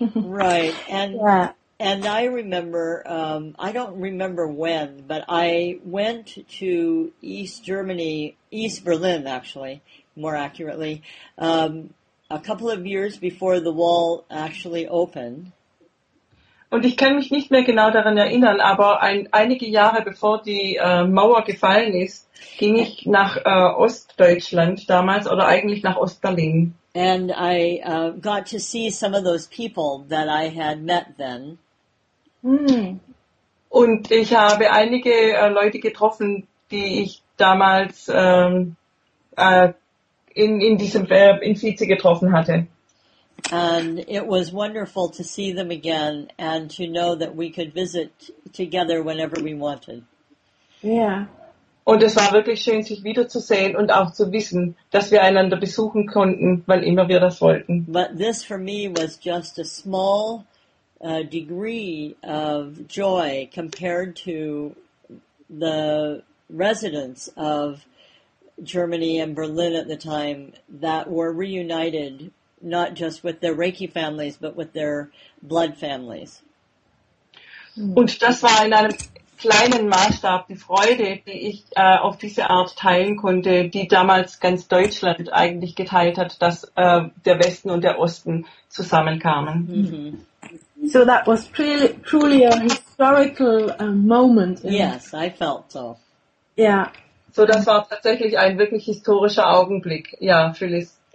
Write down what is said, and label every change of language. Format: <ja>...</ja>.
<en>Right. And yeah. And I remember, I don't remember when, but I went to East Germany, East Berlin, actually, more accurately, a couple of years before the wall actually opened.</en> <de>Und ich kann mich nicht mehr genau daran erinnern, aber einige Jahre bevor die Mauer gefallen ist, ging ich nach Ostdeutschland damals, oder eigentlich nach Ost-Berlin.</de> <en>And I got to see some of those people that I had met then.</en> <de>Und ich habe einige Leute getroffen, die ich damals in diesem in Fietze getroffen hatte.</de> <en>And it was wonderful to see them again and to know that we could visit together whenever we wanted. Yeah.</en> <de>Und es war wirklich schön, sich wiederzusehen und auch zu wissen, dass wir einander besuchen konnten, wann immer wir das wollten.</de> <en>But this for me was just a small degree of joy compared to the residents of Germany and Berlin at the time that were reunited, not just with their Reiki families, but with their blood families.</en> <de>Und das war in einem kleinen Maßstab die Freude, die ich auf diese Art teilen konnte, die damals ganz Deutschland eigentlich geteilt hat, dass der Westen und der Osten zusammenkamen. Mm-hmm.</de> <en>So that was truly, truly a historical moment. Yes, I felt so. Yeah.</en> <de>So das war tatsächlich ein wirklich historischer Augenblick, ja, Phyllis.</de>